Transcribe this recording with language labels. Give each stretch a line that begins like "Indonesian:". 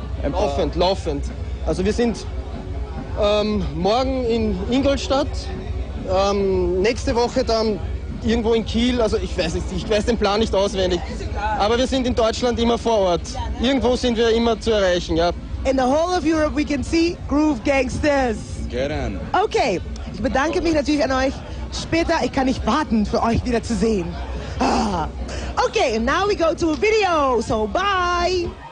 German: Laufend, laufend. Also wir sind morgen in Ingolstadt, nächste Woche dann irgendwo in Kiel, also ich weiß nicht, ich weiß den Plan nicht auswendig. Aber wir sind in Deutschland immer vor Ort. Irgendwo sind wir immer zu erreichen, ja.
English: In the whole of Europe we can see Groove Gangsters. Get in.
German: Okay, ich bedanke mich natürlich an euch. Später, ich kann nicht warten, für euch wieder zu sehen. Ah.
English: Okay, and now we go to a video. So, bye.